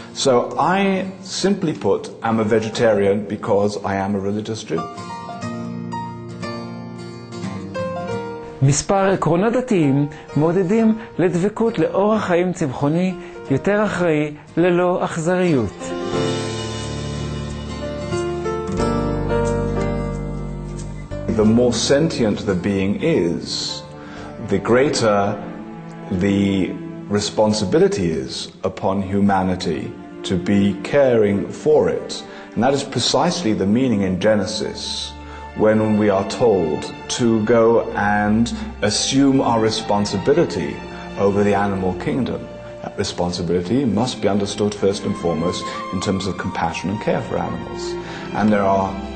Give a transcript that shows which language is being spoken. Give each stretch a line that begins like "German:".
English: So I, simply put, am a vegetarian because I am a religious Jew.
Hebrew: מספר עקרונות דתיים מעודדים לדבקות לאורח חיים צמחוני יותר אחראי ללא אכזריות.
English: The more sentient the being is, the greater the responsibility is upon humanity to be caring for it. And that is precisely the meaning in Genesis. When we are told to go and assume our responsibility over the animal kingdom, that responsibility must be understood first and foremost in terms of compassion and care for animals. And there are